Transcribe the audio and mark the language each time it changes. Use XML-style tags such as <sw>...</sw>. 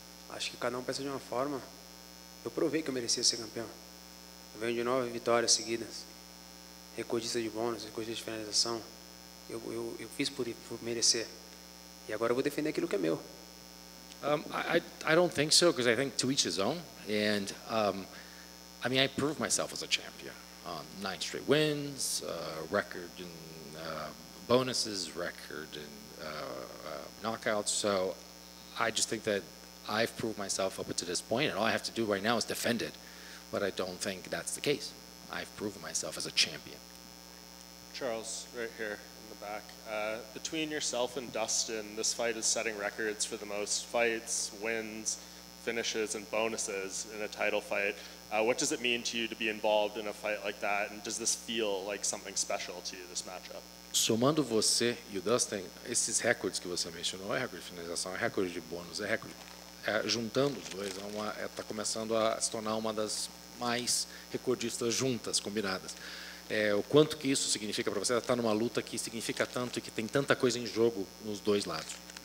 <pt>Acho que cada um pensa de uma forma. Eu provei que eu merecia ser campeão. Eu venho de 9 vitórias seguidas. Recordista de bônus, recordista de finalização. Eu fiz por merecer. E agora eu vou defender aquilo que é meu.</pt> <en>I don't think so, because I think to each his own. And I mean, I proved myself as a champion. 9 straight wins, record in bonuses, record in knockouts. So I just think that I've proved myself up to this point, and all I have to do right now is defend it. But I don't think that's the case. I've proven myself as a champion. Charles, right here in the back. Between yourself and Dustin, this fight is setting records for the most fights, wins, finishes, and bonuses in a title fight. What does it mean to you to be involved in a fight like that? And does this feel like something special to you, this matchup?</en> <pt>Somando você e o Dustin, esses recordes que você mencionou, é recorde de finalização, é recorde de bônus, é recorde... juntando os dois, está começando a se tornar uma das mais recordistas juntas, combinadas. O quanto que isso significa para você estar numa luta que significa tanto e que tem tanta coisa em jogo nos dois lados?</pt>